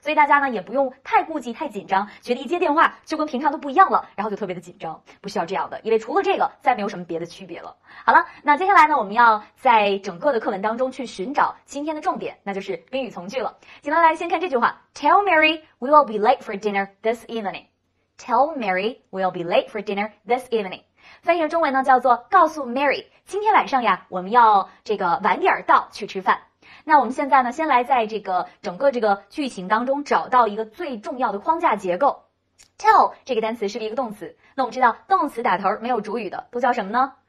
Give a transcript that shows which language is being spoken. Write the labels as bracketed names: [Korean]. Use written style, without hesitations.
[Chinese] 所以大家呢，也不用太顾忌、太紧张，觉得一接电话就跟平常都不一样了，然后就特别的紧张，不需要这样的，因为除了这个，再没有什么别的区别了。好了，那接下来呢，我们要在整个的课文当中去寻找今天的重点，那就是宾语从句了。请大家来先看这句话 [English] ：Tell Mary we will be late for dinner this evening. Tell Mary we'll be late for dinner this evening. [Chinese] 翻译成中文呢，叫做告诉 Mary， 今天晚上呀，我们要这个晚点到去吃饭。那我们现在呢，先来在这个整个这个剧情当中找到一个最重要的框架结构。 Tell 这个单词是一个动词，那我们知道动词打头没有主语的都叫什么呢？